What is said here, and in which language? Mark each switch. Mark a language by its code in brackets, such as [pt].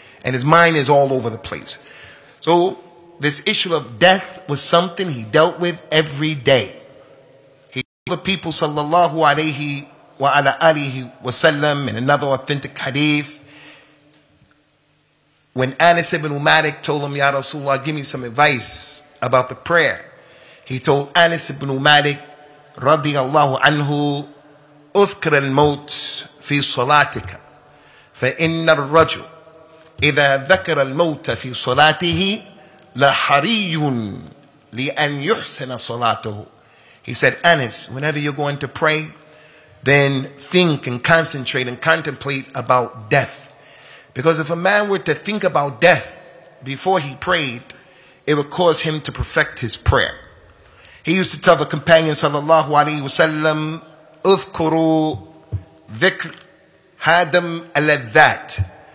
[en] And his mind is all over the place. So this issue of death was something he dealt with every day. He told the people sallallahu alayhi wa ala alihi wa sallam in another authentic hadith. When Anas ibn Umarik told him, Ya Rasulullah, give me some advice about the prayer. He told [ar] Anas ibn Umarik, radiyallahu anhu, اذكر الموت في صلاتك فإن الرجل إذا ذكر الموت في صلاته لحري لأن يحسن صلاته. [en] He said, Anas, whenever you're going to pray, then think and concentrate and contemplate about death. Because if a man were to think about death before he prayed, it would cause him to perfect his prayer. He used to tell the companion sallallahu alayhi wa sallam, [ar] اذكروا ذكر هادم اللذات.